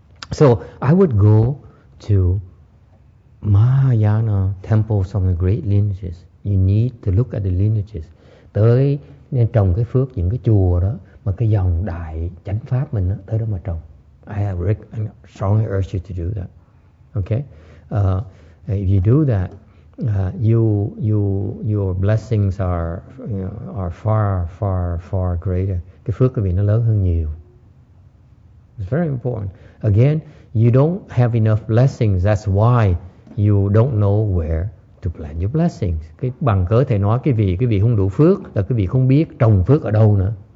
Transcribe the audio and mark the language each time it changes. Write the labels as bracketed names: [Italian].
[English] So I would go to Mahayana temples of the great lineages. You need to look at the lineages. [Vietnamese] Tới nên trồng cái phước những cái chùa đó mà cái dòng đại chánh pháp mình đó, tới đó mà trồng. [English] I have I strongly urge you to do that. Okay. If you do that, your blessings are far greater. [Vietnamese] Cái phước của mình nó lớn hơn nhiều. [English] It's very important. Again, you don't have enough blessings. That's why you don't know where to plant your blessings. [Vietnamese] Cái bằng cớ thầy nói cái vị không đủ phước là cái vị không biết trồng phước ở đâu nữa.